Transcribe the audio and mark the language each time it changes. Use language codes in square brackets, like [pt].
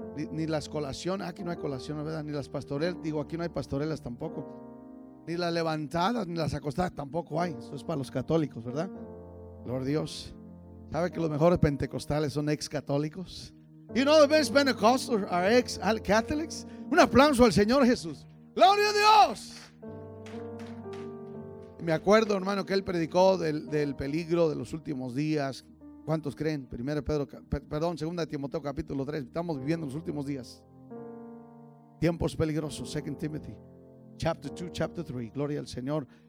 [es] Ni las colaciones, aquí no hay colaciones, ¿verdad? Ni las pastorelas, digo, aquí no hay pastorelas tampoco. Ni las levantadas, ni las acostadas tampoco hay. Eso es para los católicos, ¿verdad? Gloria a Dios. ¿Sabe que los mejores pentecostales son ex católicos? [en] You know the best Pentecostals are ex Catholics. [es] Un aplauso al Señor Jesús. ¡Gloria a Dios! Me acuerdo, hermano, que él predicó del peligro de los últimos días. ¿Cuántos creen? Segunda de Timoteo capítulo 3. Estamos viviendo los últimos días. Tiempos peligrosos. [en] 2 Timothy chapter 2, chapter 3. [es] Gloria al Señor.